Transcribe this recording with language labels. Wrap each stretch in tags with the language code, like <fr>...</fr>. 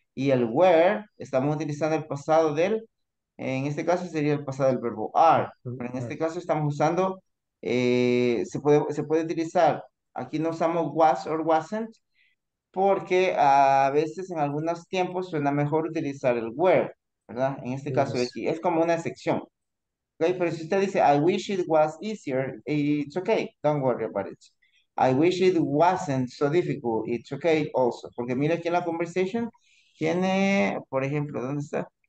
<es>Y el were, estamos utilizando el pasado del, en este caso sería el pasado del verbo are, pero en este caso estamos usando, se puede utilizar, aquí no usamos</es> <en>was or wasn't,</en> <es>porque a veces en algunos tiempos suena mejor utilizar el were, ¿verdad? En este caso aquí, es como una excepción.</es> <en>Okay,</en> <es>pero si usted dice,</es> <en>I wish it was easier, it's okay, don't worry about it. I wish it wasn't so difficult. It's okay also.</en> <es>Porque mira aquí en la conversation, tiene, por ejemplo, ¿dónde está?</es>